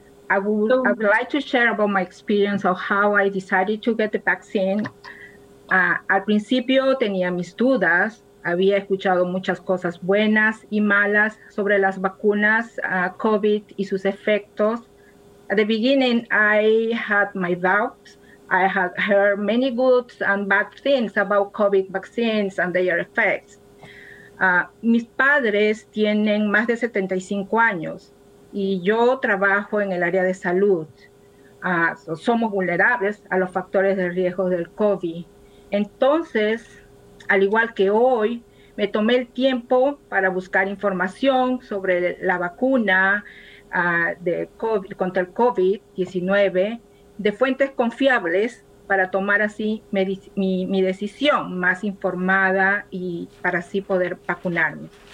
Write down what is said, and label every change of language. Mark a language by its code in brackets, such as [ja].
[en] I would like to share about my experience of how I decided to get the vaccine. [es] Al principio tenía mis dudas. Había escuchado muchas cosas buenas y malas sobre las vacunas, COVID y sus efectos. [en] At the beginning, I had my doubts. I had heard many good and bad things about COVID vaccines and their effects. [es] Mis padres tienen más de 75 años. Y yo trabajo en el área de salud. Somos vulnerables a los factores de riesgo del COVID. Entonces, al igual que hoy, me tomé el tiempo para buscar información sobre la vacuna de COVID, contra el COVID-19 de fuentes confiables para tomar así mi decisión más informada y para así poder vacunarme.